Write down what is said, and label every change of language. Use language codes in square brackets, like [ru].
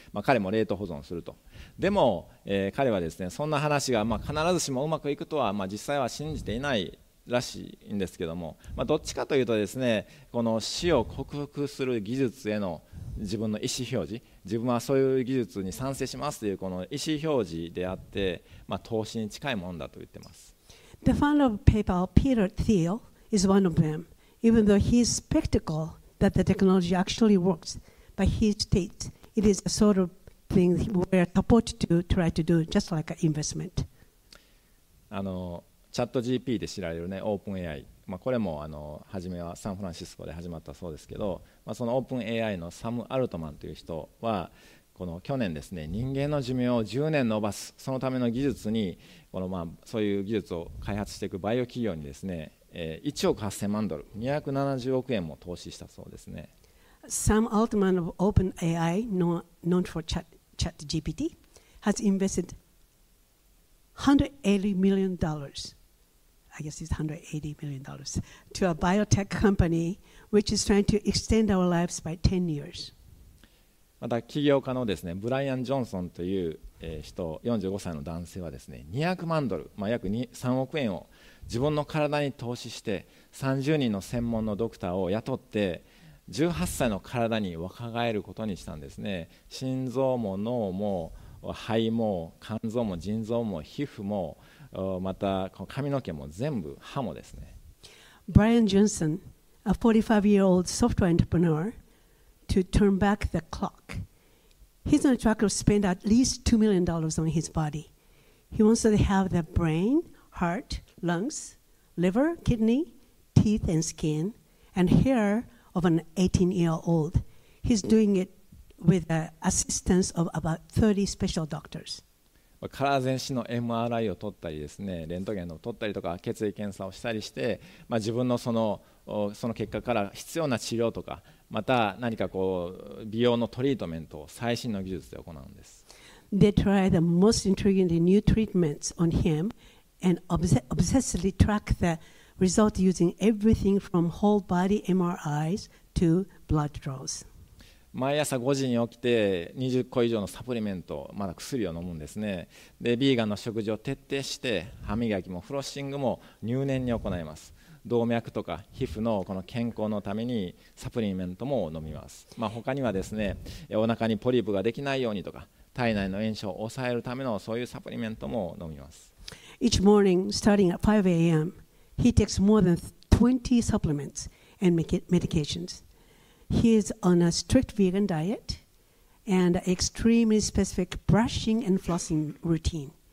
[ja] まあ、彼も冷凍保存すると。でも、彼はですね、そんな話がまあ必ずしもうまくいくとは、まあ、実際は信じていないらしいんですけども、まあ、どっちかというとですね、この死を克服する技術への自分の意思表示、自分はそういう技術に賛成しますというこの意思表示であって、まあ、投資に近いものだと言ってます。 [en] The founder of PayPal, Peter Thiel, is one of them. Even though he is skeptical that the technology actually works, but he states it is a sort of thing we are supposed to try to do, just like an investment. [ja] チャット GP で知られる、ね、オープン AI、まあ、これも初めはサンフランシスコで始まったそうですけど、まあ、そのオープン AI のサム・アルトマンという人はこの去年ですね、人間の寿命を10年延ばすそのための技術にこの、まあ、そういう技術を開発していくバイオ企業にですね、1億8000万ドル270億円も投資したそうですね。 [en] サム・アルトマンのオープン AI known for chat GPT has invested$180 million, I guess it's $180 million, to a biotech company which is trying to extend our lives by 10 years. [ja] また企業家のですね、ブライアン・ジョンソンという人、45歳の男性はですね、200万ドル、まあ、約3億円を自分の体に投資して、30人の専門のドクターを雇って、18歳の体に若返ることにしたんですね。心臓も脳も肺も肝臓も腎臓も皮膚もまた髪の毛も全部歯もですね。 [en] Brian Johnson, a 45-year-old software entrepreneur, to turn back the clock. He's on track to spend at least $2 million on his body. He wants to have the brain, heart, lungs, liver, kidney, teeth and skin, and hair of an 18-year-old. He's doing it. With the assistance of about 30 special doctors. [ja] 体全身の MRI を取ったりですね、レントゲンを取ったりとか血液検査をしたりして、まあ、自分のその結果から必要な治療とかまた何かこう美容のトリートメントを最新の技術で行うんです。 [en] They try the most intriguing new treatments on him and obsessively track the result using everything from whole body MRIs to blood draws. [ja] 毎朝5時に起きて20個以上のサプリメント、まだ薬を飲むんですね。で、ビーガンの食事を徹底して、歯磨きもフロッシングも入念に行います。動脈とか皮膚のこの健康のためにサプリメントも飲みます。まあ、他にはですね、お腹にポリープができないようにとか、体内の炎症を抑えるためのそういうサプリメントも飲みます。 [en] Each morning, starting at 5 a.m., he takes more than 20 supplements and medications. He is on a strict vegan diet and extremely specific brushing and flossing routine.